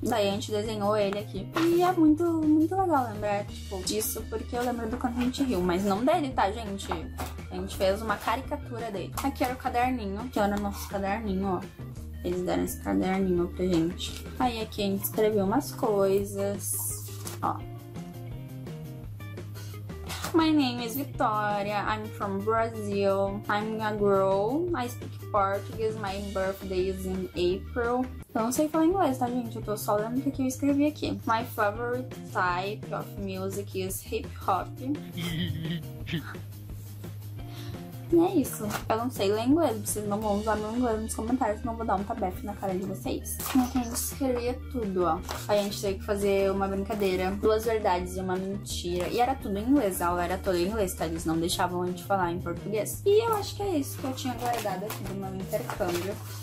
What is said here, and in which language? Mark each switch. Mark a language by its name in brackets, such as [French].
[Portuguese] Daí a gente desenhou ele aqui. E é muito, muito legal lembrar, tipo, disso, porque eu lembro do quanto a gente riu. Mas não dele, tá, gente? A gente fez uma caricatura dele. Aqui era o caderninho, que era o nosso caderninho, ó. Eles deram esse caderninho pra gente. Aí aqui a gente escreveu umas coisas, ó. [English] My name is Victoria, I'm from Brazil, I'm a girl, I speak Portuguese, my birthday is in April. [Portuguese] Eu não sei falar inglês, tá, gente? Eu tô só lendo o que eu escrevi aqui. [English] My favorite type of music is hip hop. [Portuguese] E é isso. Eu não sei ler inglês, vocês não vão usar meu inglês nos comentários, senão eu vou dar um tabefe na cara de vocês. A gente escrevia tudo, ó. A gente teve que fazer uma brincadeira. Duas verdades e uma mentira. E era tudo em inglês, a aula era toda em inglês, tá? Eles não deixavam a gente falar em português. E eu acho que é isso que eu tinha guardado aqui do meu intercâmbio.